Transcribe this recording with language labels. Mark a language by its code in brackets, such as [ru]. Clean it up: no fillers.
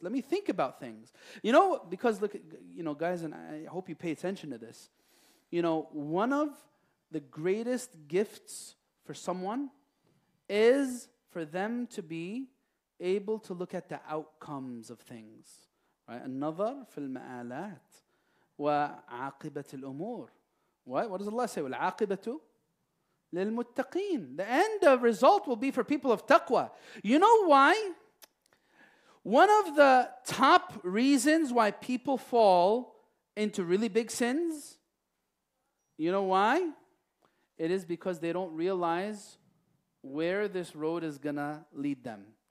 [en] Let me think about things. You know, because look, you know, guys, and I hope you pay attention to this. You know, one of the greatest gifts for someone is for them to be able to look at the outcomes of things, right? [ar] النظر في المآلات وعاقبة الأمور. [en] What does Allah say? [ar] والعاقبة للمتقين. [en] The end of result will be for people of taqwa. You know why? One of the top reasons why people fall into really big sins, you know why? It is because they don't realize where this road is going to lead them.